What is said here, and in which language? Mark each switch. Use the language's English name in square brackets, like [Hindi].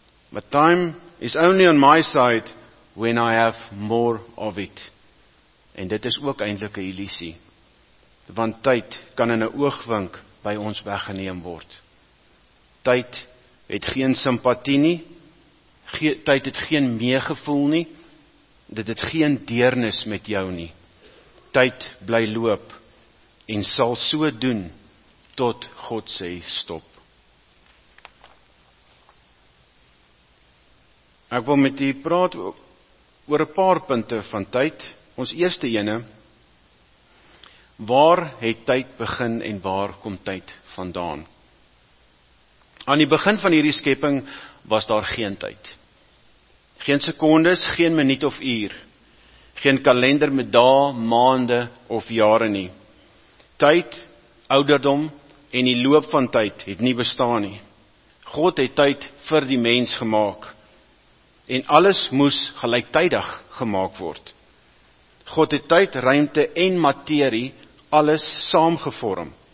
[English] But time is only on my side when I have more of it. [Afrikaans] En dit is ook eintlik 'n illusie. Want tyd kan in 'n oogwink by ons weggeneem word. Tyd het geen simpatie nie, tyd het geen meegevoel nie, dit het geen deernis met jou nie. Tyd bly loop en sal so doen tot God sê stop. Ek wil met u praat oor 'n paar punte van tyd. Ons eerste ene, Waar het tyd begin en waar kom tyd vandaan? Aan die begin van hierdie skepping was daar geen tyd. Geen sekondes, geen minuut of uur. Geen kalender met dae, maande of jare nie. Tyd, ouderdom en die loop van tyd het nie bestaan nie. God het tyd vir die mens gemaak. En alles moes gelyktydig gemaak word. God het tyd, ruimte en materie alles saamgevorm.